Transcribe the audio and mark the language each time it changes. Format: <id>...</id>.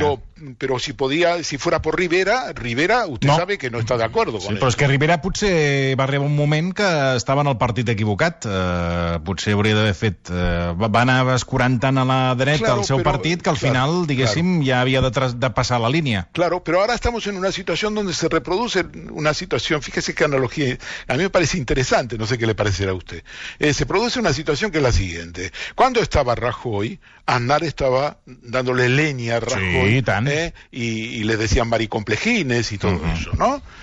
<es>Bueno, pero si podía, si fuera por Rivera, usted no. Sabe que no está de acuerdo.</es> <ca>Sí, però és que Rivera potser va rebre un moment que estava en el partit equivocat. Potser hauria d'haver fet... va anar escurant tant a la dreta claro, el seu partit que al final, diguéssim, claro. Ja havia de passar la línia.</ca> <es>Claro, pero ahora estamos en una situación donde se reproduce una situación, fíjese qué analogía, a mí me parece interesante, no sé qué le parecerá a usted, se produce una situación que es la siguiente: cuando estaba Rajoy, Aznar estaba dándole leña a Rajoy, y le decían maricomplejines y todo eso, ¿no?</es>